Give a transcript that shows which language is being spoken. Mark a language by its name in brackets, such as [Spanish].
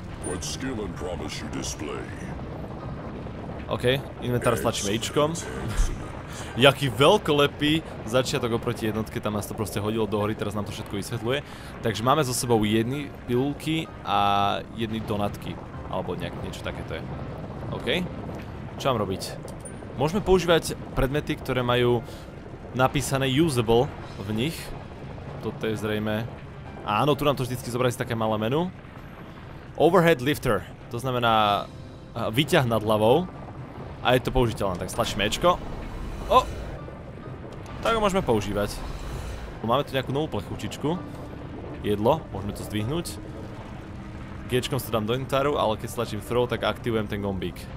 [English] What skill and promise you display? [Slovak] OK, inventár stlačíme ičkom. Jaký veľkolepý začiatok oproti jednotke, tam nás to proste hodilo do hory, teraz nám to všetko vysvetľuje. Takže máme so sebou jedny pilulky a jedny donatky. Alebo nejak niečo takéto je. OK, čo mám robiť? Môžeme používať predmety, ktoré majú napísané usable v nich. Toto je zrejme... Áno, tu nám to vždycky zobrazí také malé menu. Overhead lifter, to znamená výťah nad hlavou. A je to použiteľné, tak stlačíme Ečko. O! Tak ho môžeme používať. Máme tu nejakú novú plechučičku. Jedlo, môžeme to zdvihnúť. Gečkom sa dám do inventáru, ale keď stlačím throw, tak aktivujem ten gombík.